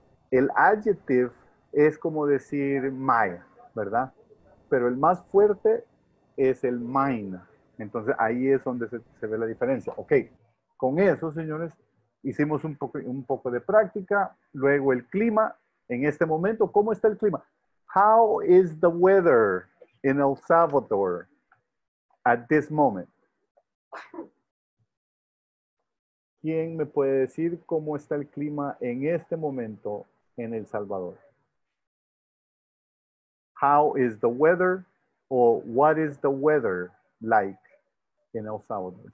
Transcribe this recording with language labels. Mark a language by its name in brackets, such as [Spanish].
[Spanish] El adjective es como decir my, ¿verdad? Pero el más fuerte es el mine. Entonces, ahí es donde se ve la diferencia. Ok, con eso, señores, hicimos un poco de práctica. Luego, el clima. En este momento, ¿cómo está el clima? [English] How is the weather in El Salvador at this moment? [Spanish] ¿Quién me puede decir cómo está el clima en este momento en El Salvador? [English] How is the weather, or what is the weather like in El Salvador?